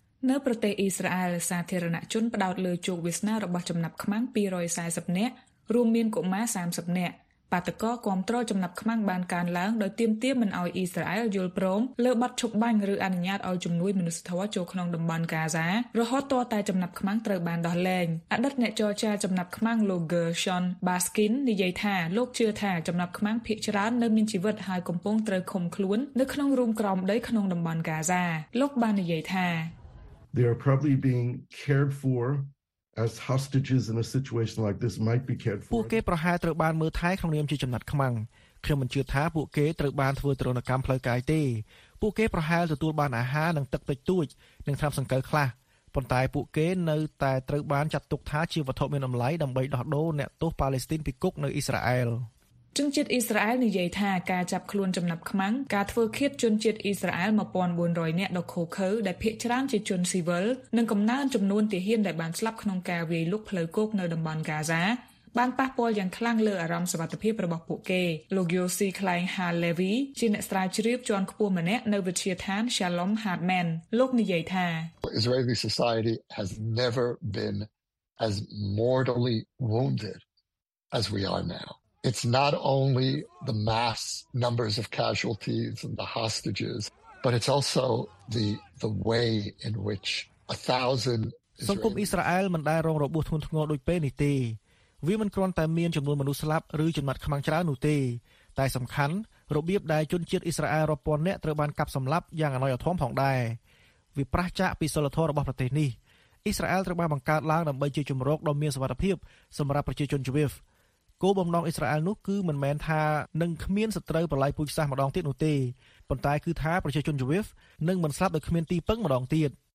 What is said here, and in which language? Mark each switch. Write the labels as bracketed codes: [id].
[km] នៅប្រទេសអ៊ីស្រាអែលសាធារណជនផ្ដោតលើជោគវាសនារបស់ចំណាប់ខ្មាំង240នាក់រួមមានកុមារ30នាក់បាតុករគ្រប់គ្រងចំណាប់ខ្មាំងបានកើនឡើងដោយទាមទារមិនឲ្យអ៊ីស្រាអែលយល់ព្រមលើបទឈប់បាញ់ឬអនុញ្ញាតឲ្យជំនួយមនុស្សធម៌ចូលក្នុងតំបន់កាហ្សារហូតទាល់តែចំណាប់ខ្មាំងត្រូវបានដោះលែងអតីតអ្នកចរចាចំណាប់ខ្មាំងលោក Gershon Baskin និយាយថាលោកជឿថាចំណាប់ខ្មាំងភាគច្រើននៅមានជីវិតហើយកំពុងត្រូវឃុំខ្លួននៅក្នុងរូងក្រោមដីក្នុងតំបន់កាហ្សាលោកបាននិយាយថា [en] They are probably being cared for as hostages in a situation like this might be cared for. [km] ពួកគេប្រហែលត្រូវបានមើលថែក្នុងនាមជាចំណាត់ខ្មាំងខ្ញុំមិនជឿថាពួកគេត្រូវបានធ្វើទរណកម្មផ្លូវកាយទេពួកគេប្រហែលទទួលបានអាហារនិងទឹកតិចតួចនិងថ្នាំសង្កូវខ្លះប៉ុន្តែពួកគេនៅតែត្រូវបានចាត់ទុកថាជាវត្ថុមានតម្លៃដើម្បីដោះដូរអ្នកទោសប៉ាឡេស្ទីនពីគុកនៅអ៊ីស្រាអែល ជនជាតិអ៊ីស្រាអែលនិយាយថាការចាប់ខ្លួនចំណាប់ខ្មាំងការធ្វើឃាតជនជាតិអ៊ីស្រាអែល1400នាក់ដ៏ឃោរឃៅដែលភាគច្រើនជាជនស៊ីវិលនិងកំណើនចំនួនទាហានដែលបានស្លាប់ក្នុងការវាយលុកផ្លូវគោកនៅតំបន់កាហ្សាបានប៉ះពាល់យ៉ាងខ្លាំងលើអារម្មណ៍សុវត្ថិភាពរបស់ពួកគេលោកយូស៊ីខ្លែងហាឡេវីជាអ្នកស្រាវជ្រាវជាន់ខ្ពស់ម្នាក់នៅវិទ្យាស្ថាន Shalom Hartman លោកនិយាយថា [en] Israeli society has never been as mortally wounded as we are now. It's not only the mass numbers of casualties and the hostages, but it's also the way in which 1,000 Israelis... [km] សង្គមអ៊ីស្រាអែលមិនដែលរងរបួសធ្ងន់ធ្ងរដូចពេលនេះទេ។វាមិនគ្រាន់តែមានចំនួនមនុស្សស្លាប់ឬចំណាត់ខ្មាំងច្រើននោះទេ។តែសំខាន់របៀបដែលជនជាតិអ៊ីស្រាអែលរាប់ពាន់នាក់ត្រូវបានកាប់សម្លាប់យ៉ាងអនុយធម៌ផងដែរ។វាប្រឆាំងចាក់ពីសីលធម៌របស់ប្រទេសនេះ។អ៊ីស្រាអែលត្រូវបានបង្កើតឡើងដើម្បីជាជំរកដ៏មានសុវត្ថិភាពសម្រាប់ប្រជាជនជីវិត។គោលបំណងអ៊ីស្រាអែលនោះគឺមិនមែនថានឹងគ្មានសត្រូវប្រឡាយពូជសាសម្ដងទៀតនោះទេប៉ុន្តែគឺថាប្រជាជនជីវិតនឹងមិនស្លាប់ដោយគ្មានទីពឹងម្ដងទៀត